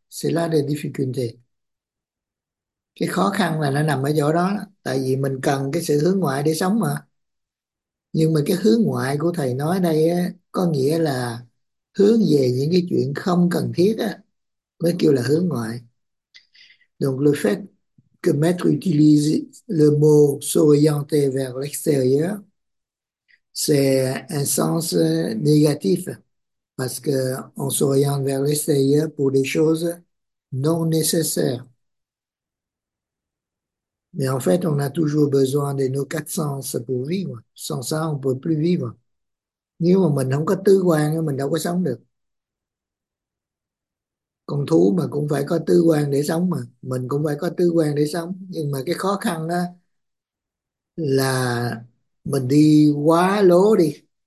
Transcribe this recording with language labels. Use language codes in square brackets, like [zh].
[fr] C'est là la difficulté. [vi] Cái khó khăn là nó nằm ở chỗ đó, tại vì mình cần cái sự hướng ngoại để sống mà. Nhưng mà cái hướng ngoại của thầy nói đây á, có nghĩa là hướng về những cái chuyện không cần thiết á, mới kêu là hướng ngoại. [fr] Donc le fait que maître utilise le mot s'orienter vers l'extérieur, c'est un sens négatif parce qu'on s'oriente vers l'extérieur pour des choses non nécessaires. Mais en fait, on a toujours besoin de nos quatre sens pour vivre. Sans ça, on ne peut plus vivre. [vi] Nếu mà mình không có tứ quan, mình đâu có sống được. Con thú mà cũng phải có tứ quan để sống mà. Mình cũng phải có tứ quan để sống. Nhưng mà cái khó khăn đó là mình đi quá lố đi.